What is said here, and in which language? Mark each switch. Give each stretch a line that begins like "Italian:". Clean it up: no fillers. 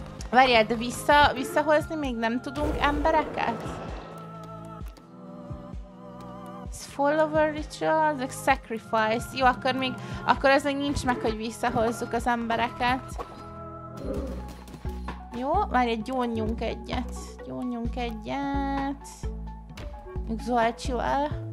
Hungarian: Várjál, de visszahozni még nem tudunk embereket?
English: It's follower ritual, like sacrifice.
Hungarian: Jó, akkor még... Akkor az még nincs meg, hogy visszahozzuk az embereket. Jó, várjál, gyónjunk egyet. Gyónjunk egyet. Még Zolcsival.